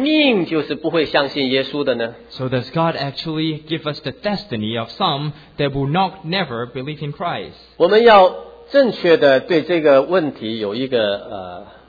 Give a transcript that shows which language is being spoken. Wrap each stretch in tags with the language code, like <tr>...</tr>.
<zh>是不是连神都注定有些人的命就是不会相信耶稣的呢?</zh> <en>So does God actually give us the destiny of some that will not never believe in Christ?</en> <zh>我们要正确的对这个问题有一个,</zh>